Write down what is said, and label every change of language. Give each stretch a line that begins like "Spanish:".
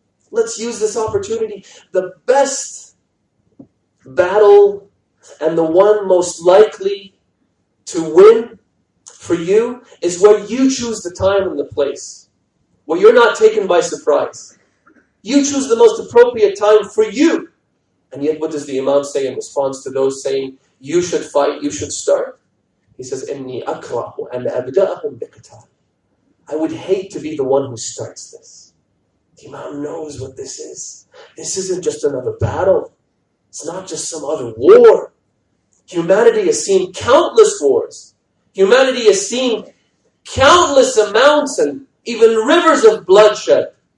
English: Let's use this opportunity. The best battle and the one most likely to win for you is where you choose the time and the place. Where you're not taken by surprise. You choose the most appropriate time for you. And yet what does the Imam say in response to those saying, you should fight, you should start? He says,
Arabic: إِنِّي أَكْرَهُ أَنْ أَبْدَأَهُمْ بِقِتَالٍ.
English: I would hate to be the one who starts this. The Imam knows what this is. This isn't just another battle. It's not just some other war. Humanity has seen countless wars. Humanity has seen countless amounts and even rivers of bloodshed.